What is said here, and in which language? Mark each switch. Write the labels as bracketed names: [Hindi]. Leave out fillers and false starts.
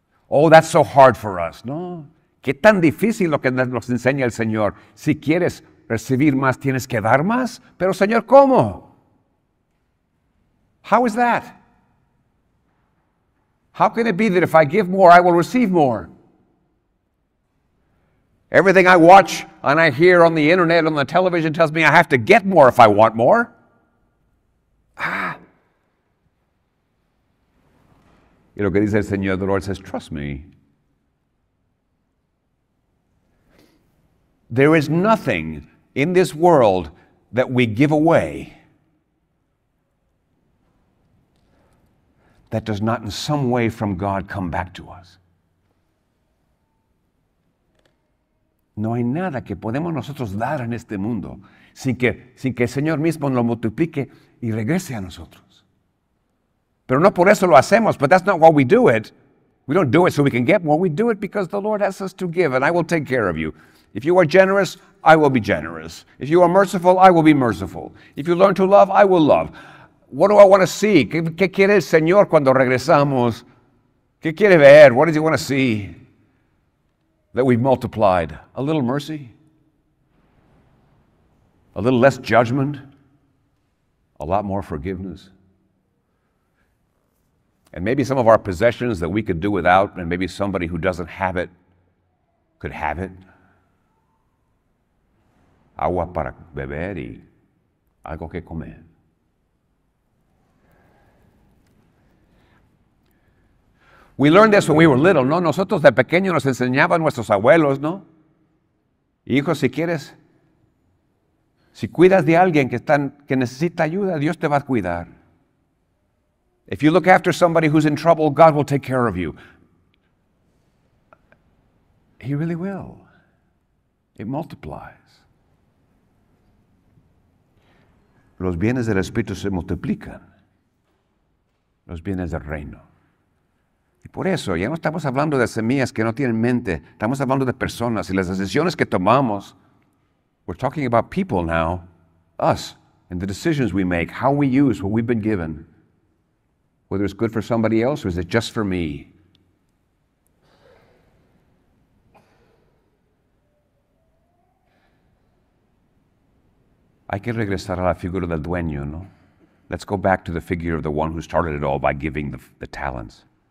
[English] Oh, that's so hard for us, no? [Spanish] ¿Qué tan difícil lo que nos enseña el Señor? Si quieres recibir más, tienes que dar más. Pero Señor, ¿cómo? [English] How is that? How can it be that if I give more, I will receive more? Everything I watch and I hear on the internet, on the television, tells me I have to get more if I want more. Ah. [Spanish] Y lo que dice el Señor, [English] the Lord says, trust me. There is nothing in this world that we give away that does not in some way from God come back to us. [Spanish] No hay nada que podemos nosotros dar en este mundo sin que el Señor mismo lo multiplique y regrese a nosotros. Pero no por eso lo hacemos, [English] but that's not why we do it. We don't do it so we can get more. We do it because the Lord asks us to give, and I will take care of you. If you are generous, I will be generous. If you are merciful, I will be merciful. If you learn to love, I will love. What do I want to see? [Spanish] ¿Qué quiere el Señor cuando regresamos? ¿Qué quiere ver? [English] What does he want to see? That we've multiplied. A little mercy? A little less judgment? A lot more forgiveness? And maybe some of our possessions that we could do without, and maybe somebody who doesn't have it could have it. [Spanish] Agua para beber y algo que comer. [English] We learned this when we were little, ¿no? [Spanish] Nosotros de pequeño nos enseñaban nuestros abuelos, ¿no? Hijo, si quieres, si cuidas de alguien que necesita ayuda, Dios te va a cuidar. [English] If you look after somebody who's in trouble, God will take care of you. He really will. It multiplies. [Spanish] Los bienes del Espíritu se multiplican. Los bienes del reino. Y por eso, ya no estamos hablando de semillas que no tienen mente. Estamos hablando de personas y las decisiones que tomamos. [English] We're talking about people now. Us and the decisions we make, how we use what we've been given. Whether it's good for somebody else or is it just for me? [Spanish] Hay que regresar a la figura del dueño, ¿no? [English] Let's go back to the figure of the one who started it all by giving the talents.